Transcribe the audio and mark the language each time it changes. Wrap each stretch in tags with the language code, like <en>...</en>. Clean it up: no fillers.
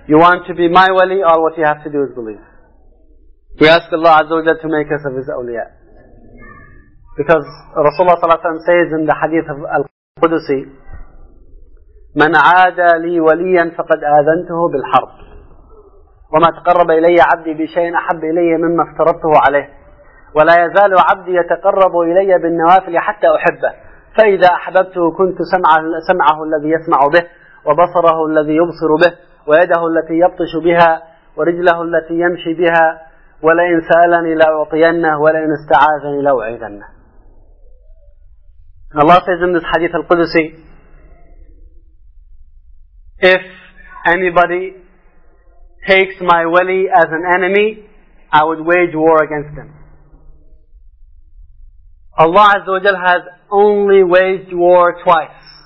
<en>You want to be my wali, all what you have to do is believe. We ask Allah Azza wa Jalla to make us of His awliya. Because Rasulullah sallallahu alayhi wa sallam says in the hadith of al-Qudusi,</en> <ar>مَنْ عَادَ لِي وَلِيًّا فَقَدْ آذَنْتُهُ بِالْحَرْبِ. وما تقرب إلي عبدي بشيء أحب إلي مما افترضته عليه، ولا يزال عبدي يتقرب إلي بالنوافل حتى أحبه، فإذا أحببته كنت سمعه الذي يسمع به، وبصره الذي يبصر به، ويده التي يبطش بها، ورجله التي يمشي بها، ولئن سألني لأعطينه، ولئن استعاذني لأعيذنه.</ar> <en>Allah says in this hadith al-Qudusi, if anybody takes my wali as an enemy, I would wage war against him. Allah Azza wa Jal has only waged war twice.</en>